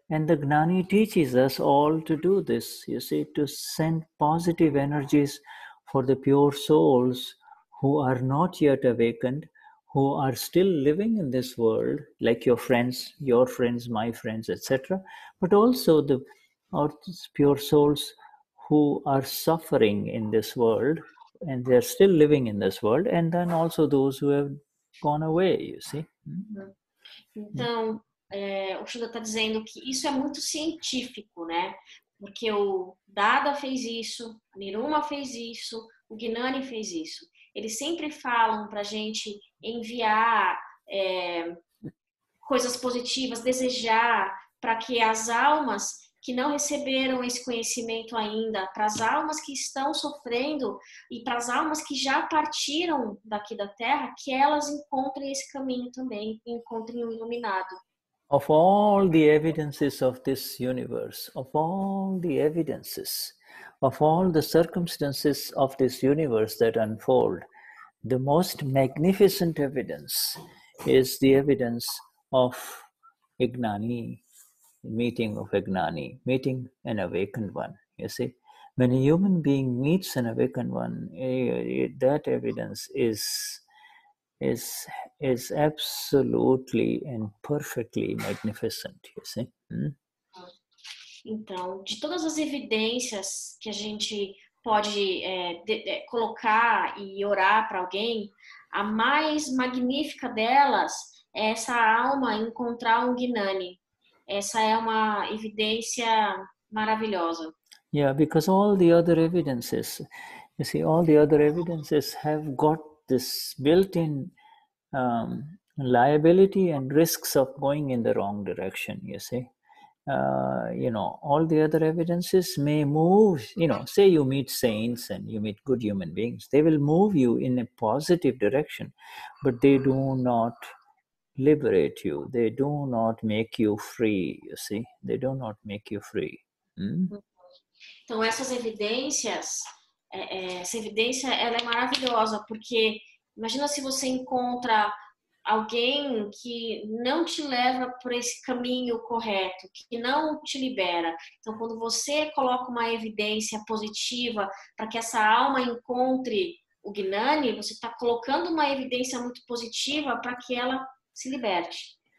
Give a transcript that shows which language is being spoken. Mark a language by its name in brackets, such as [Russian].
[English] And the Gnani teaches us all to do this, you see, to send positive energies for the pure souls who are not yet awakened, who are still living in this world, like your friends, my friends, etc. But also pure souls who are suffering in this world, and they're still living in this world, and then also those who have gone away, you see. [Portuguese] Então, o Shuddha está dizendo que isso é muito científico, né? Porque o Dada fez isso, a Niruma fez isso, o Gnani fez isso. Eles sempre falam para a gente enviar coisas positivas, desejar para que as almas que não receberam esse conhecimento ainda, para as almas que estão sofrendo e para as almas que já partiram daqui da Terra, que elas encontrem esse caminho também, encontrem o iluminado. [English] Of all the evidences of this universe, of all the evidences, of all the circumstances of this universe that unfold, the most magnificent evidence is the evidence of Gnani, meeting of Gnani, meeting an awakened one, you see. When a human being meets an awakened one, that evidence is absolutely and perfectly magnificent, you see. [Portuguese] Então, de todas as evidências que a gente pode colocar e orar para alguém, a mais magnífica delas é essa alma encontrar Gnani. Essa é uma evidência maravilhosa. [English] Yeah, because all the other evidences, you see, all the other evidences have got this built-in liability and risks of going in the wrong direction, you see. You know, all the other evidences may move, you know, say you meet saints and you meet good human beings, they will move you in a positive direction, but they do not liberate you. They do not make you free, you see. They do not make you free. [Portuguese] Então, essas evidências, essa evidência, ela é maravilhosa, porque imagina se você encontra alguém que não te leva por esse caminho correto, que não te libera. Então, quando você coloca uma evidência positiva para que essa alma encontre o Gnani, você está colocando uma evidência muito positiva para que ela se liberte.